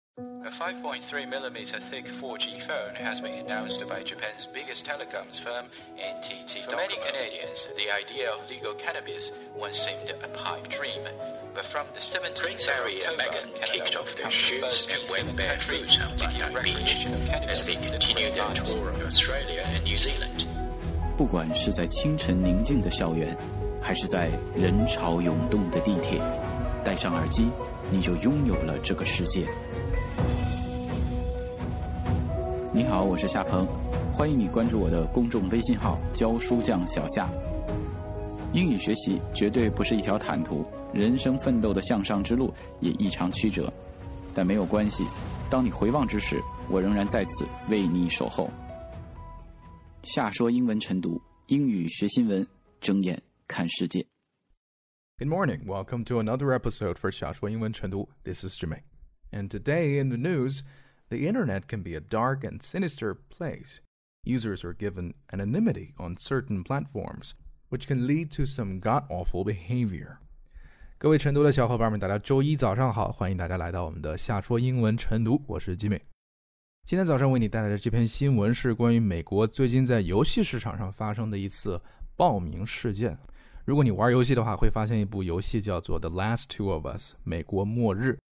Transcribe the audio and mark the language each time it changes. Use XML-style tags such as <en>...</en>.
<en>A 5.3mm thick 4G phone has been announced by Japan's biggest telecoms firm, NTT Docomo. For many Canadians, the idea of legal cannabis once seemed a pipe dream. But from the 17th of October, Megan kicked off their shoes and went barefoot on the beach as they continued their tour of Australia and New Zealand.</en> <zh>不管是在清晨宁静的校园，还是在人潮涌动的地铁，戴上耳机，你就拥有了这个世界。你好，我是夏鹏，欢迎你关注我的公众微信号“教书匠小夏”。英语学习绝对不是一条坦途，人生奋斗的向上之路也异常曲折，但没有关系，当你回望之时，我仍然在此为你守候。夏说英文晨读，英语学新闻，睁眼看世界。</zh> <en>Good morning, welcome to another episode for 夏说英文晨读。 This is Jimmy, and today in the news. The internet can be a dark and sinister place. Users are given anonymity on certain platforms, which can lead to some god-awful behavior.</en> <zh>各位晨读的小伙伴们，大家周一早上好，欢迎大家来到我们的夏说英文晨读，我是吉米。今天早上为你带来的这篇新闻是关于美国最近在游戏市场上发生的一次暴民事件。如果你玩游戏的话，会发现一部游戏叫做 The Last Two of Us, 美国末日。</zh>